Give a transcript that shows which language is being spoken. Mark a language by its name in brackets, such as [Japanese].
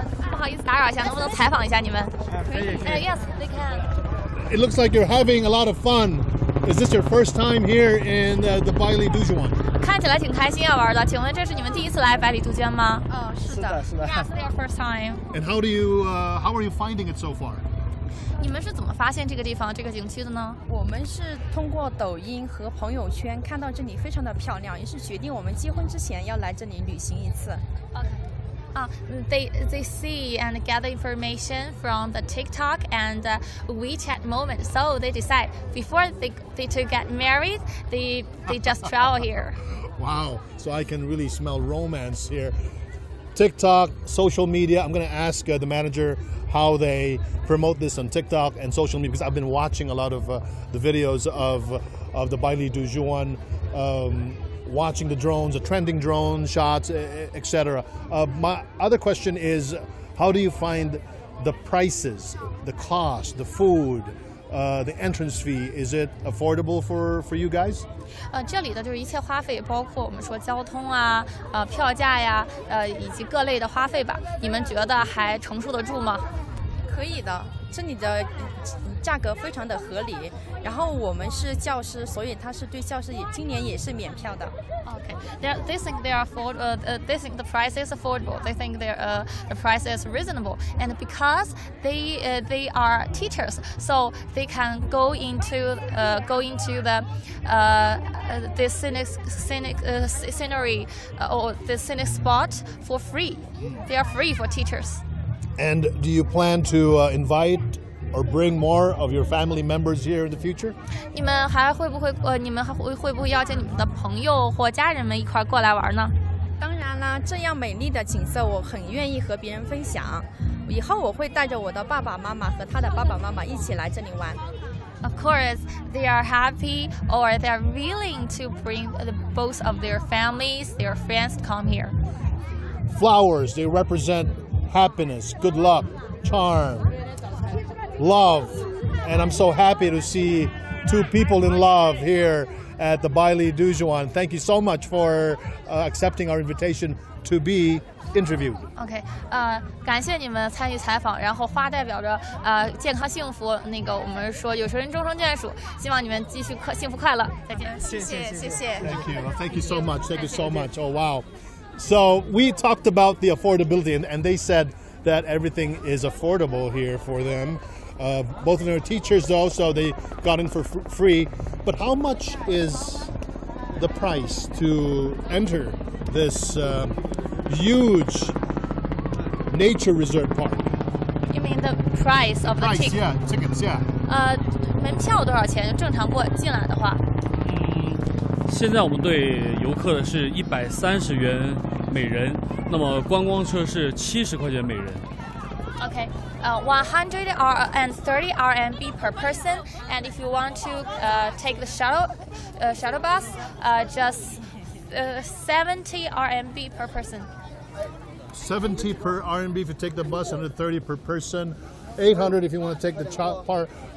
[Chinese] 不好意思打扰一下，能不能采访一下你们？ [English] Yes, they can. It looks like you're having a lot of fun. Is this your first time here in the Bijie City? [Chinese] 看起来挺开心要玩的。请问这是你们第一次来百里杜鹃吗？哦，是的，是的。 [English] Yes, it's your first time. And how do you, how are you finding it so far? [Chinese] 你们是怎么发现这个地方、这个景区的呢？我们是通过抖音和朋友圈看到这里非常的漂亮，于是决定我们结婚之前要来这里旅行一次。 [English] Okay. They see and gather information from the TikTok and WeChat moment. So they decide before they to get married, they just travel here. Wow. So I can really smell romance here. TikTok, social media. I'm going to ask the manager how they promote this on TikTok and social media because I've been watching a lot of the videos of the Bijie Dujuan. Watching the drones, the trending drone shots, etc. My other question is, how do you find the prices, the cost, the food, the entrance fee? Is it affordable for you guys? [Chinese] 这里的就是一切花费，包括我们说交通啊，票价呀，以及各类的花费吧。你们觉得还承受得住吗？可以的，这里的价格非常的合理。然后我们是教师，所以他是对教师也今年也是免票的。 [English] Okay, they think they are afford. They think the price is affordable. They think their the price is reasonable. And because they are teachers, so they can go into the scenic spot for free. They are free for teachers. And do you plan to invite or bring more of your family members here in the future? [Chinese] 你们还会不会你们还会不会邀请你们的朋友或家人们一块过来玩呢？当然啦，这样美丽的景色，我很愿意和别人分享。以后我会带着我的爸爸妈妈和他的爸爸妈妈一起来这里玩。 [English] Of course, they are happy or they are willing to bring the, both of their families, their friends to come here. Flowers, they represent happiness, good luck, charm, love. And I'm so happy to see two people in love here at the Baili Dujuan. Thank you so much for accepting our invitation to be interviewed. [Chinese] Okay, 感谢你们参与采访，然后花代表着健康幸福，那个我们说有情人终成眷属，希望你们继续幸福快乐，再见。谢谢。 [English] Thank you. Thank you so much. Thank you so much. Oh, wow. So we talked about the affordability and they said that everything is affordable here for them. Both of them are teachers though, so they got in for free. But how much is the price to enter this huge nature reserve park? You mean the price of price, the tickets? Tickets, yeah. [Chinese] 门票多少钱？正常过进来的话？现在我们对游客的是130元每人，那么观光车是70块钱每人。 [English] Okay. 100 and 30 RMB per person, and if you want to take the shuttle bus, just 70 RMB per person. 70 per RMB if you take the bus, 130 per person, 800 if you want to take the car.